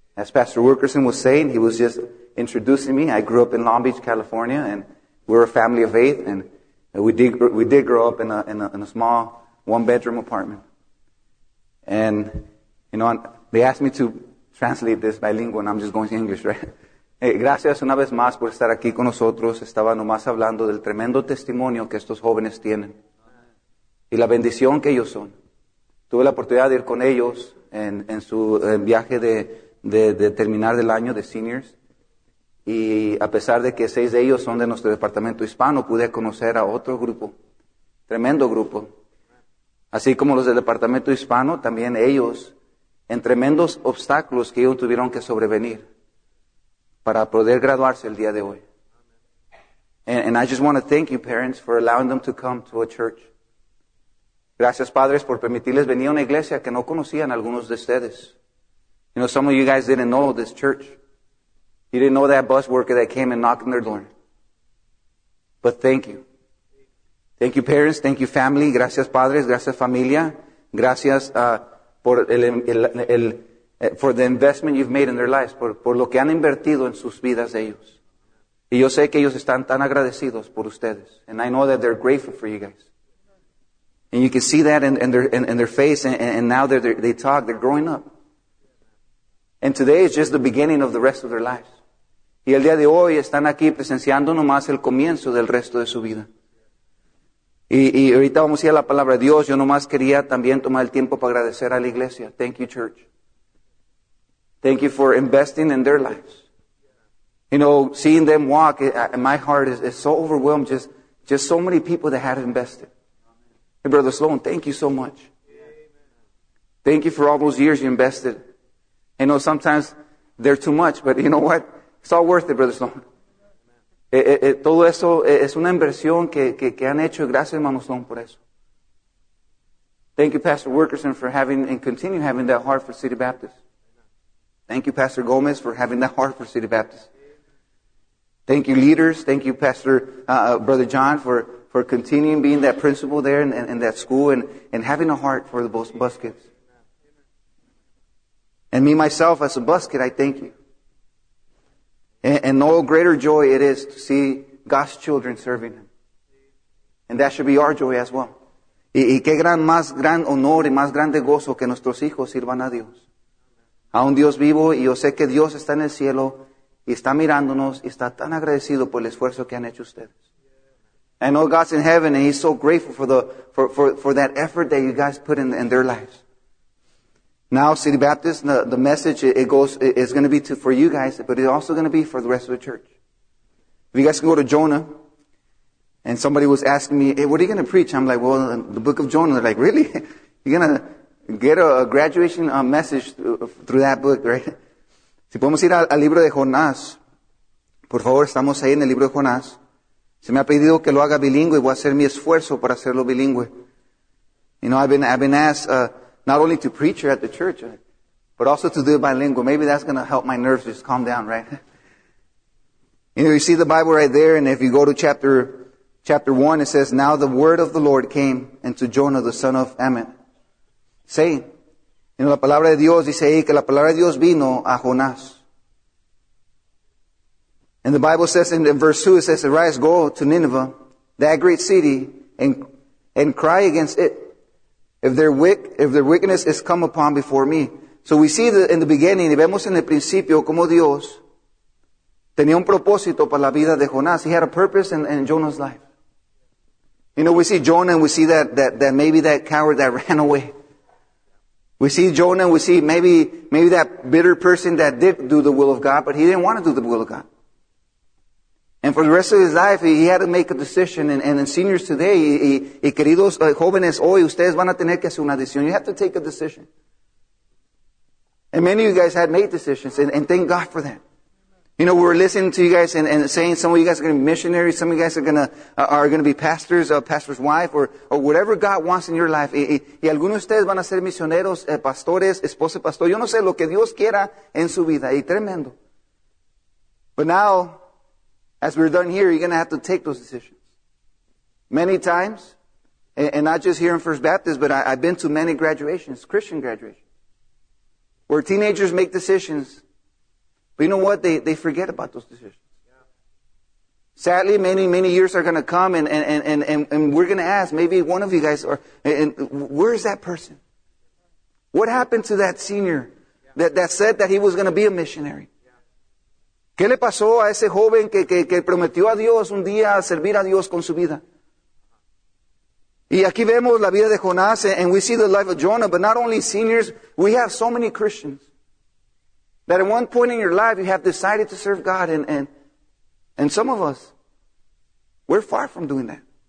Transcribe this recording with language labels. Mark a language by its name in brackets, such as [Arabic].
[English] As Pastor Wilkerson was saying, he was just introducing me. I grew up in Long Beach, California, and we're a family of eight, and we did grow up in a small one-bedroom apartment. And, you know, they asked me to translate this bilingual, and I'm just going to English, right? [Spanish] Gracias una vez más por estar aquí con nosotros. Estaba nomás hablando del tremendo testimonio que estos jóvenes tienen y la bendición que ellos son. Tuve la oportunidad de ir con ellos en su viaje de terminar del año de seniors. Y a pesar de que seis de ellos son de nuestro departamento hispano, pude conocer a otro grupo, tremendo grupo. Así como los del departamento hispano, también ellos, en tremendos obstáculos que ellos tuvieron que sobrevenir para poder graduarse el día de hoy. [English] And I just want to thank you, parents, for allowing them to come to a church. [Spanish] Gracias, padres, por permitirles venir a una iglesia que no conocían algunos de ustedes. [English] You know, some of you guys didn't know this church. You didn't know that bus worker that came and knocked on their door. But thank you. Thank you, parents. Thank you, family. [Spanish] Gracias, padres. Gracias, familia. Gracias por el [English] for the investment you've made in their lives, [Spanish] por lo que han invertido en sus vidas ellos. Y yo sé que ellos están tan agradecidos por ustedes. [English] And I know that they're grateful for you guys. And you can see that in their face, and now they talk, they're growing up. And today is just the beginning of the rest of their lives. [Spanish] Y el día de hoy están aquí presenciando nomás el comienzo del resto de su vida. Y ahorita vamos a ir a la palabra de Dios. Yo nomás quería también tomar el tiempo para agradecer a la iglesia. [English] Thank you, church. Thank you for investing in their lives. You know, seeing them walk, my heart is so overwhelmed. Just so many people that have invested. Hey, Brother Sloan, thank you so much. Thank you for all those years you invested. I know sometimes they're too much, but you know what? It's all worth it, Brother Sloan. [Spanish] Todo eso es una inversión que han hecho. Gracias, hermano Sloan, por eso. [English] Thank you, Pastor Wilkerson, for having and continue having that heart for City Baptist. Thank you, Pastor Gomez, for having that heart for City Baptist. Thank you, leaders. Thank you, Pastor Brother John, for continuing being that principal there in that school and having a heart for the bus kids. And me, myself, as a bus kid, I thank you. And no greater joy it is to see God's children serving Him. And that should be our joy as well. [Spanish] Y qué gran más gran honor y más grande gozo que nuestros hijos sirvan a Dios. A un Dios vivo, y yo sé que Dios está en el cielo y está mirándonos y está tan agradecido por el esfuerzo que han hecho ustedes. [English] I know God's in heaven and He's so grateful for that effort that you guys put in their lives. Now, City Baptist, the message is going to be for you guys, but it's also going to be for the rest of the church. If you guys can go to Jonah, and somebody was asking me, hey, what are you going to preach? I'm like, well, the book of Jonah. They're like, really? You're going to get a graduation message through that book, right? [Spanish] Si podemos ir al libro de Jonás. Por favor, estamos ahí en el libro de Jonás. Se me ha pedido que lo haga bilingüe y voy a hacer mi esfuerzo para hacerlo bilingüe. [English] You know, I've been asked not only to preach at the church, but also to do it bilingual. Maybe that's going to help my nerves just calm down, right? You know, you see the Bible right there, and if you go to chapter 1, it says, now the word of the Lord came unto Jonah, the son of Amit. [Spanish] Say, en la palabra de Dios dice ahí que la palabra de Dios vino a Jonás. [English] And the Bible says in verse 2, it says, arise, go to Nineveh, that great city, and cry against it. If their wickedness is come upon before me. So we see that in the beginning, [Spanish] y vemos en el principio como Dios tenía un propósito para la vida de Jonás. [English] He had a purpose in Jonah's life. You know, we see Jonah and we see that maybe that coward that ran away. We see Jonah and we see maybe that bitter person that did do the will of God, but he didn't want to do the will of God. And for the rest of his life, he had to make a decision. And seniors today, [Spanish] y queridos jóvenes, hoy ustedes van a tener que hacer una decisión. [English] You have to take a decision. And many of you guys had made decisions, and thank God for that. You know, we're listening to you guys and saying some of you guys are going to be missionaries, some of you guys are going to be pastors, a pastor's wife, or whatever God wants in your life. [Spanish] Y algunos de ustedes van a ser misioneros, pastores, esposa, pastor. Yo no sé lo que Dios quiera en su vida. Y tremendo. [English] But now, as we're done here, you're going to have to take those decisions. Many times, and not just here in First Baptist, but I've been to many graduations, Christian graduations, where teenagers make decisions. But you know what? They forget about those decisions. Sadly, many, many years are going to come, and we're going to ask, maybe one of you guys, and where is that person? What happened to that senior that said that he was going to be a missionary? [Spanish] ¿Qué le pasó a ese joven que prometió a Dios un día servir a Dios con su vida? Y aquí vemos la vida de Jonás, [English] and we see the life of Jonah, but not only seniors, we have so many Christians that at one point in your life you have decided to serve God, and some of us, we're far from doing that.